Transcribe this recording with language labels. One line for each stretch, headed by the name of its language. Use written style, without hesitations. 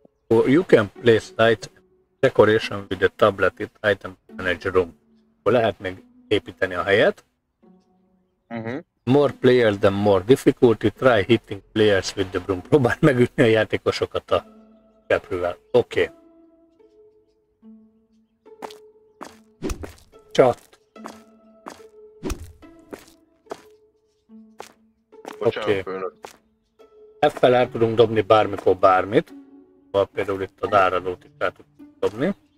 English: You can place light decoration with the tablet in item manager room.
Hungarian: Akkor lehet még építeni a helyet. Uh-huh.
English: More players than more difficulty. Try hitting players with the broom.
Hungarian: Próbáld megütni a játékosokat a keprűvel. Oké. Okay. Csat. Oké. Okay. F-fel el tudunk dobni bármikor bármit. Például itt a dáradót is el tudjuk dobni.